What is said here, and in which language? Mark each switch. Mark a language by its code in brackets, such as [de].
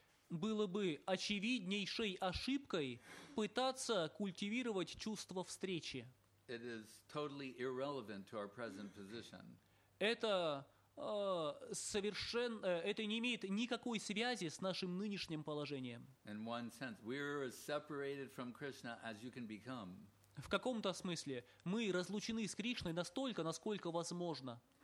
[ru] Было бы очевиднейшей ошибкой пытаться культивировать чувство встречи. [en] It is totally irrelevant to our present position. [ru] Это совершенно, это не имеет никакой связи с нашим нынешним положением. [en] In one sense, we are as separated from Krishna as you can become. [ru] В каком-то смысле мы разлучены с Кришной настолько, насколько возможно.